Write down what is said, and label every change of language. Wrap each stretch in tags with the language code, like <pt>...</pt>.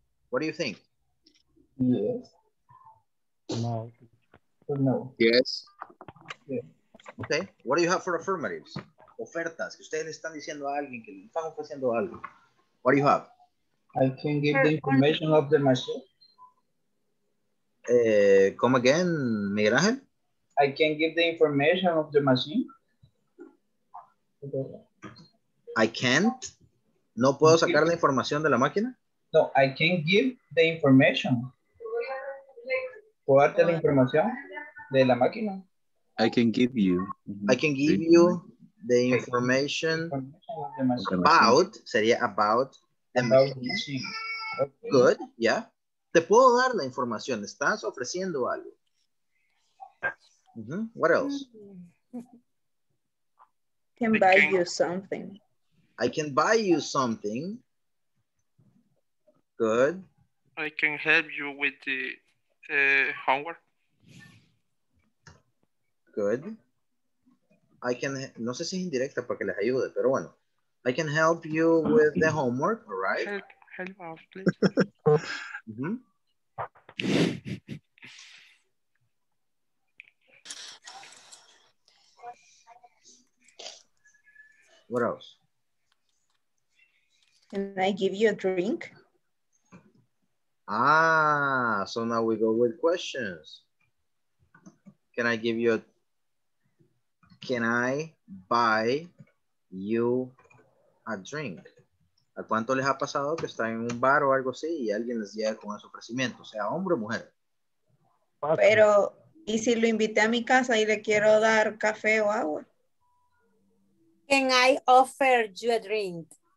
<en>What do you think? Yes. No. No. Yes. Okay. What do you have for affirmatives? Ofertas.</en> <es>Que ustedes están diciendo a alguien que le están ofreciendo algo.</es> <en>What do you have? I can give the information of the machine. Come again, Miguel Ángel. I can give the information of the machine. I can't.</en> <es>¿No puedo sacar la información de la máquina?</es> <en>No, I can give the information.</en> <es>¿Puedo darte la información de la máquina?</es> <en>I can give you. I can give you the information about, sería about the machine. Good, yeah.</en> <es>¿Te puedo dar la información? ¿Estás ofreciendo algo? Mm-hmm.</es> <en>What else? Can buy you something. I can buy you something. Good. I can help you with the homework. Good. I can,</en> <es>no sé si es indirecta para que les ayude, pero bueno.</es> <en>I can help you with the homework, all right? Help out, please. Mm-hmm. What else? Can I give you a drink? Ah, so now we go with questions. Can I give you a, can I buy you a drink?</en> <es>¿A cuánto les ha pasado que están en un bar o algo así y alguien les llega con ese ofrecimiento, sea hombre o mujer? Pero, ¿y si lo invité a mi casa y le quiero dar café o agua?</es> <en>Can I offer you a drink?</en>